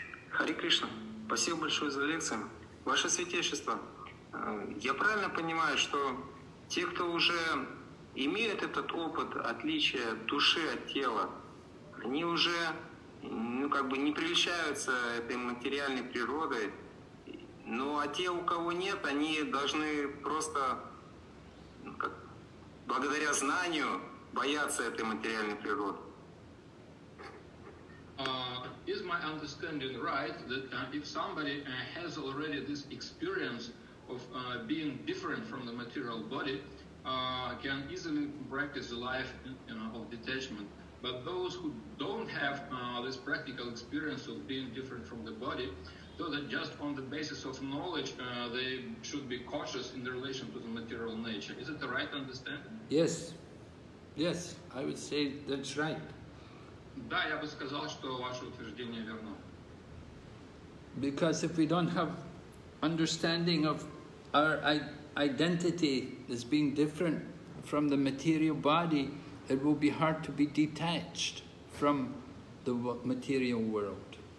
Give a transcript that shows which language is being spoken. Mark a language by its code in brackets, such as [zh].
[ru] Хари Кришна, спасибо большое за лекцию. Ваше святейшество, я правильно понимаю, что те, кто уже имеют этот опыт отличия души от тела, они уже не привлечаются этой материальной природой, ну а те, у кого нет, они должны просто благодаря знанию бояться этой материальной природы. [en] Is my understanding right that if somebody has already this experience of being different from the material body, can easily practice the life of detachment? But those who don't have this practical experience of being different from the body, so that just on the basis of knowledge, they should be cautious in the relation to the material nature. Is it the right understanding? Yes. Yes, I would say that's right. [ru] Да, я бы сказал, что ваше утверждение верно. [en] Because if we don't have understanding of our identity as being different from the material body, it will be hard to be detached from the material world.